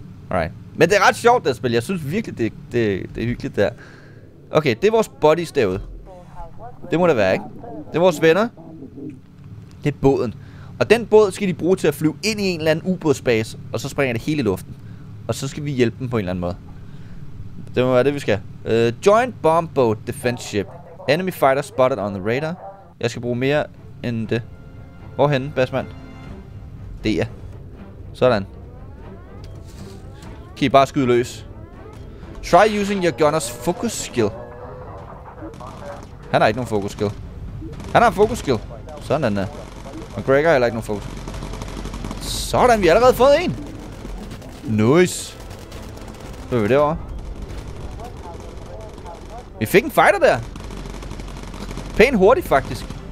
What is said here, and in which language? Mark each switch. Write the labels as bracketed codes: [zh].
[da] Alright. Men det er ret sjovt det spil. Jeg synes virkelig det er hyggeligt der. Okay, det er vores buddies derude. Det må det være, ikke? Det er vores venner. Det er båden. Og den båd skal de bruge til at flyve ind i en eller anden ubådsbase. Og så springer det hele i luften. Og så skal vi hjælpe dem på en eller anden måde. Det må være det vi skal. [en] Joint bomb boat defense ship. Enemy fighter spotted on the radar. [da] Jeg skal bruge mere end det. Hvorhenne, basmand? Det er. Sådan. Kan I bare skyde løs. [en] Try using your gunner's focus skill. [da] Han har ikke nogen focus skill. Han har en focus skill. Sådan der. Og Greg har heller ikke nogen focus skill. Sådan, vi har allerede fået en. Nice. Så er vi derovre. Vi fik en fighter der. Pænt hurtigt, faktisk.